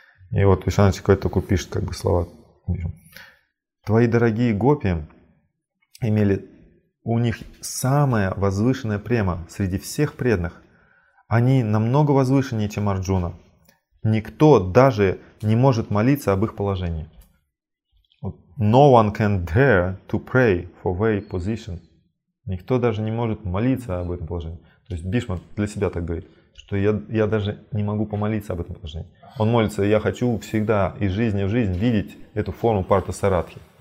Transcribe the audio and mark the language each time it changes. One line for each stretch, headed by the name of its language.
Russian: И вот Вишвана Чакрабарти такой пишет, как бы слова. Твои дорогие гопи имели, у них самая возвышенная према среди всех преданных. Они намного возвышеннее, чем Арджуна. Никто даже не может молиться об их положении.
English: No one can dare to pray for their position.
Russian: Никто даже не может молиться об этом положении. То есть Бишма для себя так говорит, что я даже не могу помолиться об этом положении. Он молится, я хочу всегда из жизни в жизнь видеть эту форму Парта Саратхи.